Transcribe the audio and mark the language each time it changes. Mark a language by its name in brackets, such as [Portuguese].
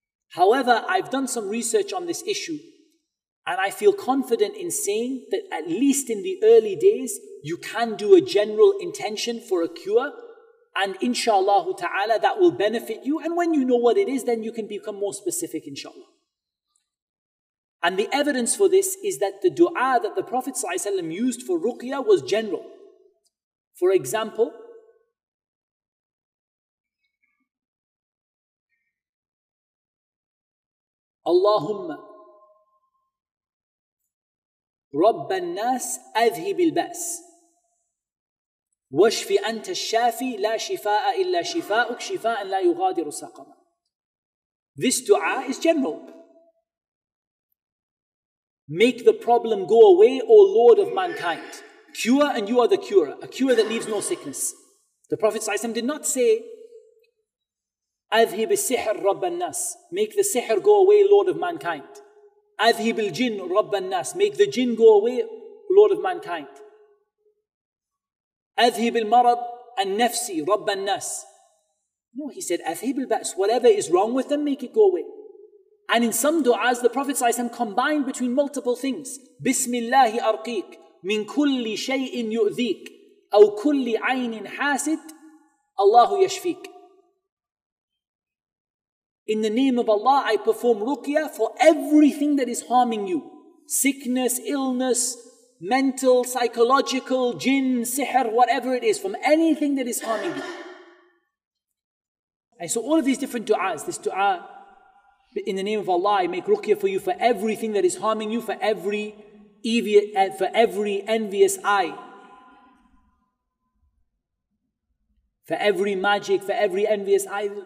[English] However, I've done some research on this issue, and I feel confident in saying that at least in the early days, you can do a general intention for a cure, and inshallah ta'ala, that will benefit you. And when you know what it is, then you can become more specific, inshallah. And the evidence for this is that the dua that the Prophet ﷺ used for ruqya was general. For example, [Arabic] Allahumma رب الناس أذهب البأس واشف أنت الشافي لا شفاء إلا شفاءك شفاء لا يغادر سقما. [English] This dua is general. Make the problem go away, O Lord of mankind. Cure and you are the curer. A cure that leaves no sickness. The Prophet ﷺ did not say [Arabic] أذهب السحر رب الناس. [English] Make the sihr go away, Lord of mankind. [Arabic] أذهب الجن رب الناس. [English] Make the jinn go away, Lord of mankind. [Arabic] أذهب المرض النفسي رب الناس. [English] No, he said, [Arabic] أذهب البأس. [English] Whatever is wrong with them, make it go away. And in some du'as, the Prophet ﷺ combined between multiple things. [Arabic] بسم الله أرقيك من كل شيء يؤذيك أو كل عين حاسد الله يشفيك. [English] In the name of Allah, I perform ruqya for everything that is harming you. Sickness, illness, mental, psychological, jinn, sihr, whatever it is, from anything that is harming you. And so all of these different du'as, this du'a, in the name of Allah, I make ruqya for you for everything that is harming you, for every envious eye, for every magic, for every envious eye.